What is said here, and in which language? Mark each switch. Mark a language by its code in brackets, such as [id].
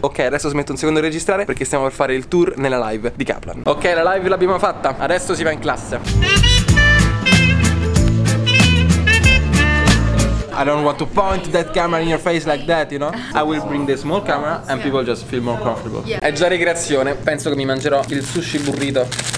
[it] Adesso smetto un secondo di registrare perché stiamo per fare il tour nella live di Kaplan. Ok, la live l'abbiamo fatta, adesso si va in classe. [en] I don't want to point that camera in your face like that, you know? I will bring the small camera and people just feel more comfortable. [it] È già ricreazione, penso che mi mangerò il sushi burrito.